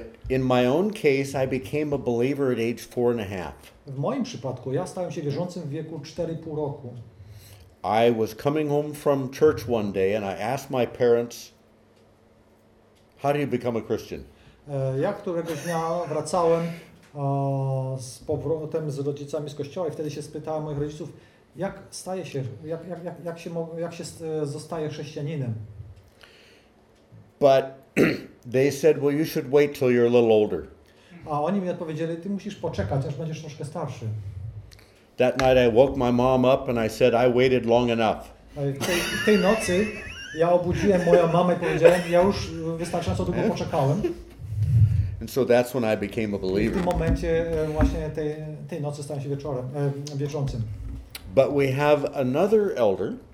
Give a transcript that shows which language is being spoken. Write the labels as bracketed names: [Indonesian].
[English] In my own case, I became a believer at age 4.5. [Polish] W moim przypadku, ja stałem się wierzącym w wieku 4.5 roku. [English] I was coming home from church one day and I asked my parents, how do you become a Christian? [Polish] Ja któregoś dnia wracałem z powrotem z rodzicami z kościoła i wtedy się spytałem moich rodziców, jak staje się, jak się zostaje chrześcijaninem. [English] But they said, well, you should wait till you're a little older. [Polish] A oni mi odpowiedzieli, ty musisz poczekać, aż będziesz troszkę starszy. [English] That night I woke my mom up and I said, I waited long enough. [Polish] Tej nocy ja obudziłem moją mamę i powiedziałem, ja już wystarczająco długo poczekałem. [English] And so that's when I became a believer. [Polish] W tym momencie właśnie tej nocy stałem się wierzącym. [English] But we have another elder.